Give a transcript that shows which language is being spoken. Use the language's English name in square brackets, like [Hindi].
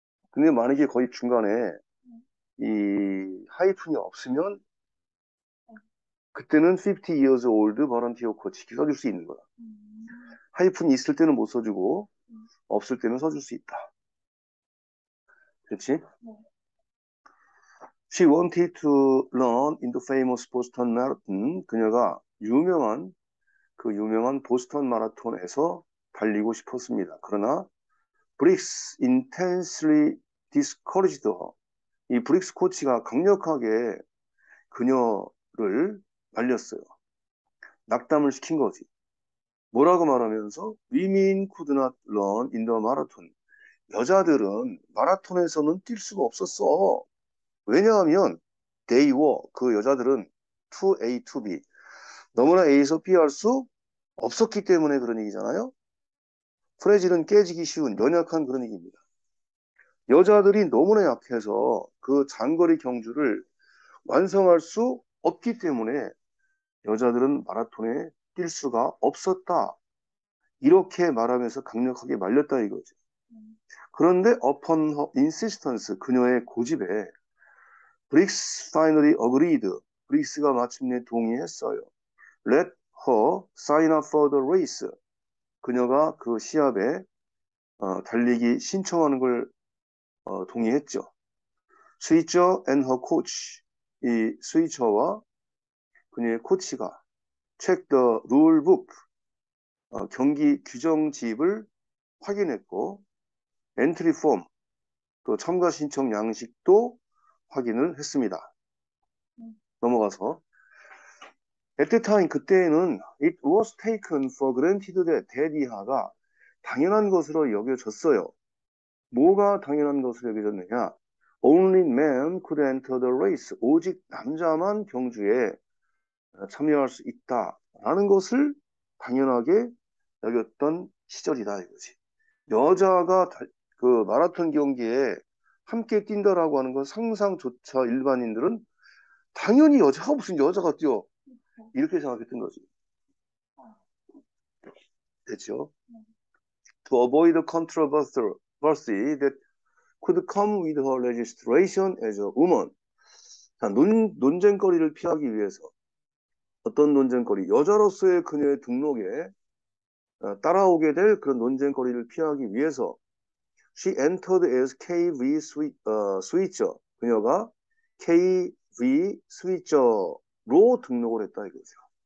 [Korean] 근데 만약에 거의 중간에 이 하이픈이 없으면 그때는 [English] 50 years old volunteer coach [Korean] 이렇게 써줄 수 있는 거야. 하이픈이 있을 때는 못 써주고 없을 때는 써줄 수 있다. 그렇지? [English] She wanted to learn in the famous Boston Marathon. [Korean] 그녀가 유명한 보스턴 마라톤에서 달리고 싶었습니다. 그러나 브릭스 [English] intensely discouraged her. [Korean] 이 브릭스 코치가 강력하게 그녀를 말렸어요. 낙담을 시킨 거지. 뭐라고 말하면서 [English] Women could not run in the marathon. [Korean] 여자들은 마라톤에서는 뛸 수가 없었어. 왜냐하면 [English] they were [Korean] 그 여자들은 to A to B 너무나 A에서 B 할수 없었기 때문에 그런 얘기잖아요. 프레질은 깨지기 쉬운 연약한 그런 얘기입니다. 여자들이 너무나 약해서 그 장거리 경주를 완성할 수 없기 때문에 여자들은 마라톤에 뛸 수가 없었다. 이렇게 말하면서 강력하게 말렸다 이거지. 그런데 [English] upon her insistence, [Korean] 그녀의 고집에 브릭스 [English] finally agreed. [Korean] 브릭스가 마침내 동의했어요. [English] Let her sign up for the race. [Korean] 그녀가 그 시합에 달리기 신청하는 걸 동의했죠. [English] Switzer and her coach. [Korean] 이 스위처와 그녀의 코치가 [English] Check the rule book. [Korean] 경기 규정 지입을 확인했고, [English] entry form, [Korean] 또 참가 신청 양식도 확인을 했습니다. 넘어가서. [English] At the time, [Korean] 그때에는 [English] it was taken for granted that [Korean] 대디하가 당연한 것으로 여겨졌어요. 뭐가 당연한 것으로 여겨졌느냐? [English] Only man could enter the race. [Korean] 오직 남자만 경주에 참여할 수 있다. 라는 것을 당연하게 여겼던 시절이다 이거지. 여자가 그 마라톤 경기에 함께 뛴다라고 하는 건 상상조차 일반인들은 당연히 여자가 무슨 여자가 뛰어 이렇게 생각했던 거지. 됐죠? [English] To avoid the controversy that could come with her registration as a woman. [Korean] 자, 논쟁거리를 피하기 위해서. 어떤 논쟁거리, 여자로서의 그녀의 등록에 따라오게 될 그런 논쟁거리를 피하기 위해서 [English] She entered as KV switcher. [Korean] 그녀가 KV switcher로 등록을 했다 이거죠.